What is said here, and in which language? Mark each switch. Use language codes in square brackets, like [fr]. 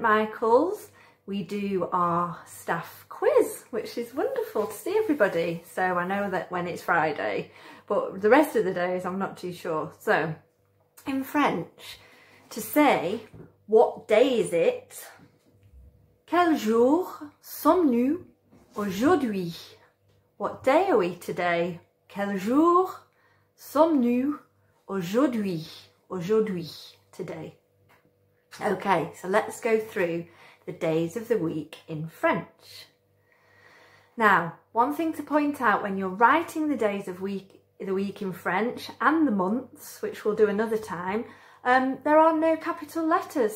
[en] Michael's, we do our staff quiz, which is wonderful to see everybody. So I know that when it's Friday, but the rest of the days, I'm not too sure. So in French, to say, what day is it? [fr] Quel jour sommes-nous aujourd'hui? [en] What day are we today? [fr] Quel jour sommes-nous aujourd'hui? Aujourd'hui, today. [en] Okay, so let's go through the days of the week in French. Now, one thing to point out when you're writing the days of the week in French and the months, which we'll do another time, there are no capital letters.